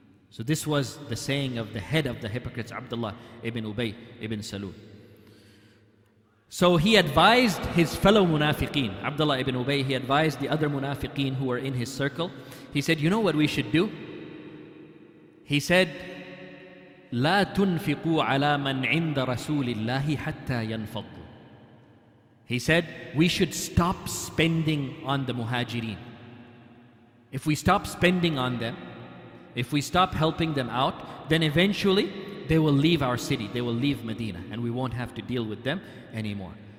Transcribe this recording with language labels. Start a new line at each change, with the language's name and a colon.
English: So this was the saying of the head of the hypocrites, Abdullah ibn Ubay ibn Salul. So he advised his fellow munafiqeen, Abdullah ibn Ubay, he advised the other munafiqeen who were in his circle. He said, you know what we should do? He said,
Arabic: لا تنفقوا على من عند رسول الله حتى ينفضوا.
English: He said, we should stop spending on the Muhajireen. If we stop spending on them, if we stop helping them out, then eventually they will leave our city, they will leave Medina, and we won't have to deal with them anymore.